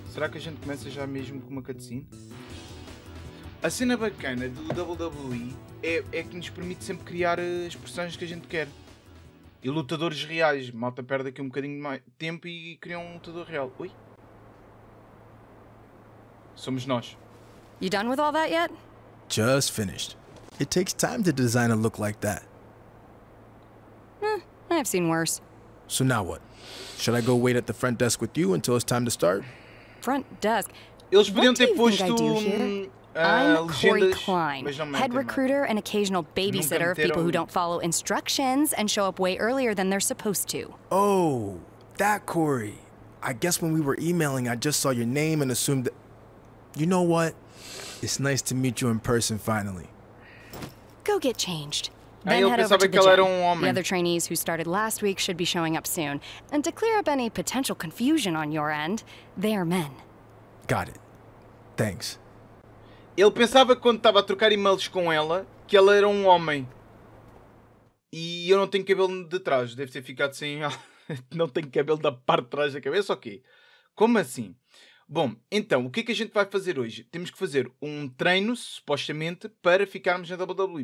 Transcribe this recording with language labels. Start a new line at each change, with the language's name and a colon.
Portuguese: Será que a gente começa já mesmo com uma cutscene? A cena bacana do WWE é que nos permite sempre criar as personagens que a gente quer. E lutadores reais. Malta perde aqui um bocadinho de mais tempo e cria um lutador real. Ui? Somos nós.
English: You done with all that yet? Just finished. It takes time to design a look like that. I've seen worse. So now what? Should I go wait at the front desk with you until it's time to start? Front desk?
Portuguese: Eles podiam ter posto
English: Corey Klein, head recruiter and occasional babysitter of people who don't follow instructions and show up way earlier than they're supposed to. Oh, that Corey. I guess when we were emailing, I just saw your name and assumed that... You know what? It's nice to meet you in person finally. Go get changed. Then head over to the gym. The other trainees who started last week should be showing up soon. And to clear up any potential confusion on your end, they are men. Got it. Thanks.
Portuguese: Ele pensava que quando estava a trocar e-mails com ela, que ela era um homem. E eu não tenho cabelo de trás. Deve ter ficado sem... Não tenho cabelo da parte de trás da cabeça, ok. Como assim? Bom, então, o que é que a gente vai fazer hoje? Temos que fazer um treino, supostamente, para ficarmos na WWE.